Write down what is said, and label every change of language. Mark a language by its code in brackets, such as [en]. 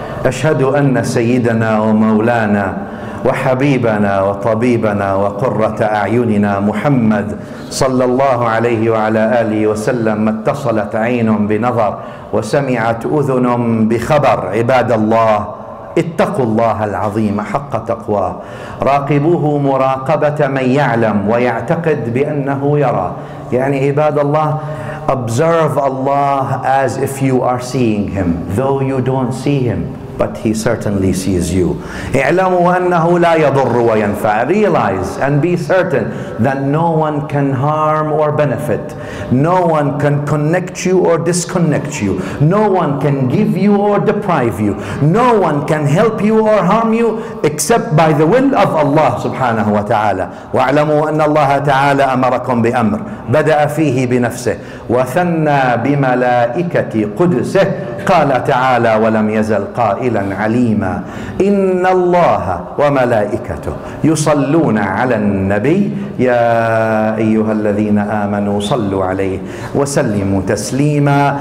[ar] أشهد أن سيدنا ومولانا وحبيبنا وطبيبنا وقرة أعيننا محمد صلى الله عليه وعلى آله وسلم. ما اتصلت عين بنظر وسمعت أذن بخبر. عباد الله اتقوا الله العظيم حق تقواه، راقبوه مراقبة من يعلم ويعتقد بأنه يرى. يعني عباد الله, [en] observe Allah as if you are seeing Him, though you don't see Him, but He certainly sees you. [ar] اعلموا أنه لا يضر وينفع. [en] Realize and be certain that no one can harm or benefit. No one can connect you or disconnect you. No one can give you or deprive you. No one can help you or harm you except by the will of Allah subhanahu wa ta'ala. [ar] واعلموا أن الله تعالى أمركم بأمر بدأ فيه بنفسه وثنى بملائكة قدسه قال تعالى ولم يزل قائلا عليما إن الله وملائكته يصلون على النبي يا أيها الذين آمنوا صلوا عليه وسلموا تسليما.